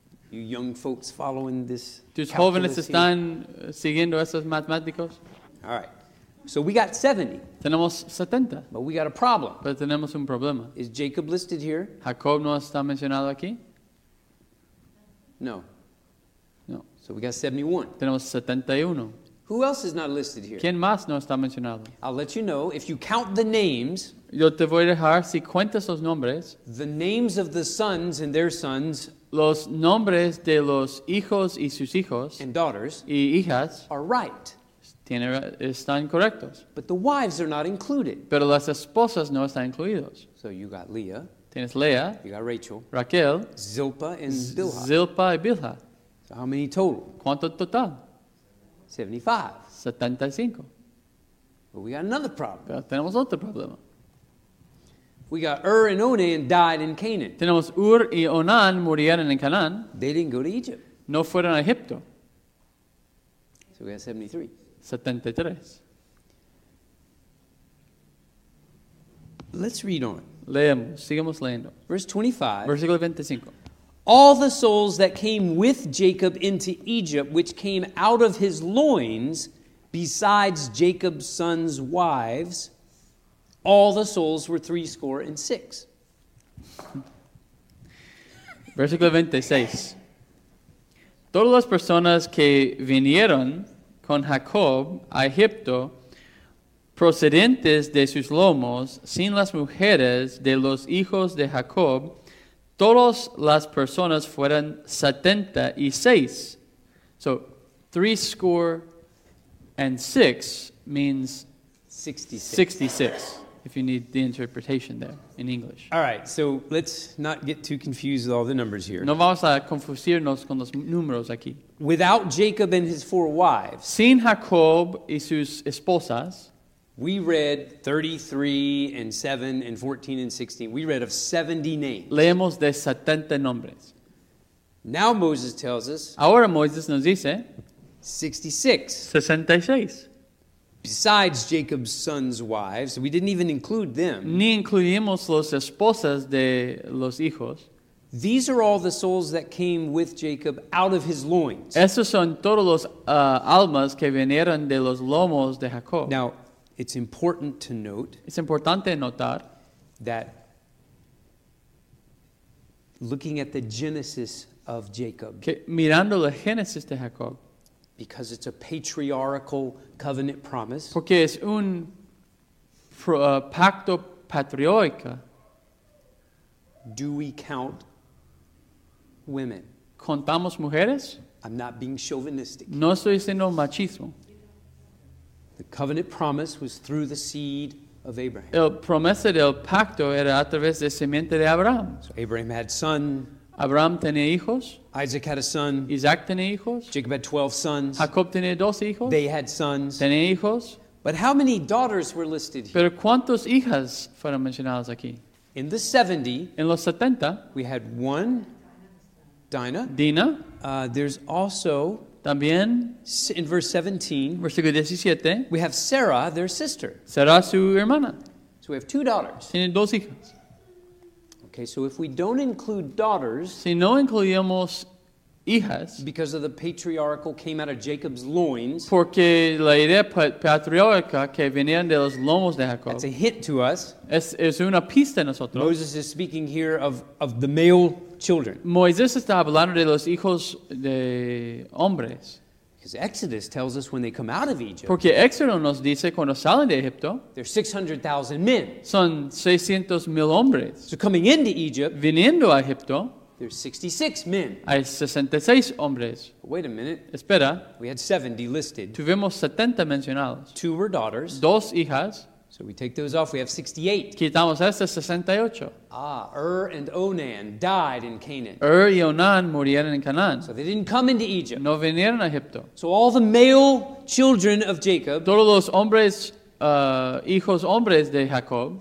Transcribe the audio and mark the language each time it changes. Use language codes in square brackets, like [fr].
[en] You young folks following this. [es] ¿Tus jóvenes están siguiendo esos matemáticos? [en] All right. So we got 70. [es] Tenemos 70. [en] But we got a problem. [es] Pero tenemos un problema. [en] Is Jacob listed here? [es] ¿Jacob no está mencionado aquí? [en] No. [es] No. [en] So we got 71. [es] Tenemos 71. [en] Who else is not listed here? [es] ¿Quién más no está mencionado? [en] I'll let you know if you count the names. [es] Yo te voy a dejar si cuentas los nombres. [en] The names of the sons and their sons. [es] Los nombres de los hijos y sus hijos. [en] And daughters. [es] Y hijas. [en] Are right. [es] Están correctos. [en] But the wives are not included. [es] Pero las esposas no están incluidos. [en] So you got Leah. [es] Tienes Leah. [en] You got Rachel. [es] Raquel. [en] Zilpah and Bilhah. [es] Zilpah y Bilhah. [en] So how many total? [es] ¿Cuánto total? [en] 75. But we got another problem. [es] Pero tenemos otro problema. [en] We got Ur and Onan died in Canaan. [es] Tenemos Ur y Onan murieron en Canaán. [en] They didn't go to Egypt. [es] No fueron a Egipto. [en] So we got 73. [es] 73. [en] Let's read on. [es] Leemos. Sigamos leyendo. [en] Verse 25. [es] Versículo 25. [en] All the souls that came with Jacob into Egypt, which came out of his loins, besides Jacob's sons' wives, all the souls were 66. [es] Versículo 26. Todas las personas que vinieron con Jacob a Egipto, procedentes de sus lomos, sin las mujeres de los hijos de Jacob, todas las personas fueron 76. [en] So, 66 means [es] 66. [en] 66, if you need the interpretation there in English. All right, so let's not get too confused with all the numbers here. [es] No vamos a confundirnos con los números aquí. [en] Without Jacob and his four wives. [es] Sin Jacob y sus esposas. [en] We read 33 and 7 and 14 and 16. We read of 70 names. [es] Leemos de 70 nombres. [en] Now Moses tells us. [es] Ahora Moisés nos dice. [en] 66. [es] 66. [en] Besides Jacob's sons' wives, we didn't even include them. [es] Ni incluimos los esposas de los hijos. [en] These are all the souls that came with Jacob out of his loins. [es] Esos son todos los almas que vinieron de los lomos de Jacob. [en] Now, it's important to note. [es] Es importante notar [en] that looking at the genesis of Jacob. [es] Que mirando la génesis de Jacob. [en] Because it's a patriarchal covenant promise. [es] Porque es un pacto patriarca. [en] Do we count women? [es] ¿Contamos mujeres? [en] I'm not being chauvinistic. [es] No estoy siendo machismo. [en] The covenant promise was through the seed of Abraham. [es] El promesa del pacto era a través de simiente de Abraham. [en] So Abraham had son. [es] Abraham tenía hijos. [en] Isaac had a son. [es] Isaac tenía hijos. [en] Jacob had 12 sons. [es] Jacob tenía 12 hijos. [en] They had sons. [es] Tenía hijos. [en] But how many daughters were listed here? [es] Pero ¿cuántas hijas fueron mencionadas aquí? [en] In the 70. [es] En los 70. [en] We had one. Dinah. [es] Dina. [en] There's also. [es] También, [en] in verse 17, [es] versículo 17, [en] we have Sarah, their sister. [es] Sarah, su hermana. [en] So we have two daughters. [es] Tienen dos hijas. [en] Okay, so if we don't include daughters, [es] si no incluimos hijas, [en] because of the patriarchal came out of Jacob's loins, [es] porque la idea patriarca que venían de los lomos de Jacob, [en] that's a hint to us. [es] Es una pista a nosotros. [en] Moses is speaking here of the male children. [es] Moisés está hablando de los hijos de hombres. [en] Because Exodus tells us when they come out of Egypt. [es] Porque Éxodo nos dice cuando salen de Egipto. [en] There's 600,000 men. [es] Son 600,000 hombres. [en] So coming into Egypt. [es] Viniendo a Egipto. [en] There's 66 men. [es] Hay 66 hombres. [en] But wait a minute. [es] Espera. [en] We had 70 listed. [es] Tuvimos 70 mencionados. [en] Two were daughters. [es] Dos hijas. [en] So we take those off. We have 68. [es] Quitamos estas 68. [en] Ah, Ur and Onan died in Canaan. [es] Ur y Onan murieron en Canaán. [en] So they didn't come into Egypt. [es] No vinieron a Egipto. [en] So all the male children of Jacob. [es] Todos los hombres, hijos hombres de Jacob.